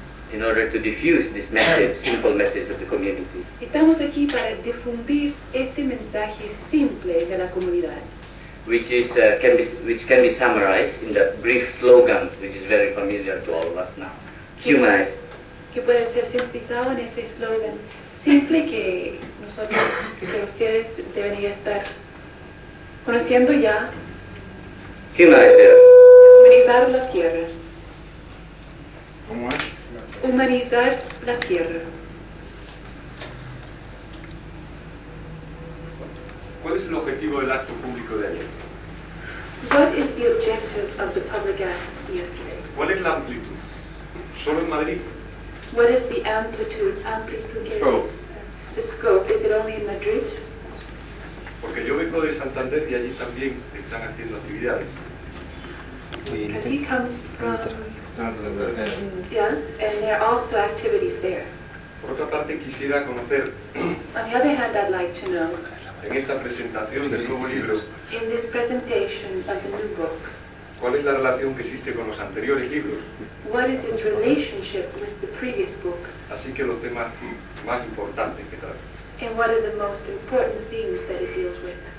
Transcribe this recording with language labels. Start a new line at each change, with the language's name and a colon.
English: In order to diffuse this message, simple message of the community.
Spanish: Estamos aquí para difundir este mensaje simple de la comunidad.
English: Which can be summarized in that brief slogan, which is very familiar to all of us now. Humanize.
Spanish: Que puede ser sintetizado en ese slogan simple que nosotros, que ustedes deben estar conociendo ya.
English: Humanize.
Spanish: Humanizar la tierra. ¿Cómo es? Humanizar la tierra. ¿Cuál es el objetivo del acto público de ayer?
English: What is the objective of the public act yesterday?
Spanish: ¿Cuál es la amplitud? ¿Solo en Madrid?
English: What is the amplitude? The scope, is it only in Madrid?
Spanish: Porque yo vengo de Santander y allí también están haciendo actividades.
English: Because he comes from Santander. Yeah, and there are also activities there.
Spanish: Por otra parte, quisiera conocer.
English: On the other hand, I'd like to know.
Spanish: En esta presentación del nuevo libro.
English: In this presentation of the new book.
Spanish: ¿Cuál es la relación que existe con los anteriores libros?
English: What is its relationship with the previous books?
Spanish: Así que los temas más importantes que trata.
English: And what are the most important themes that it deals with?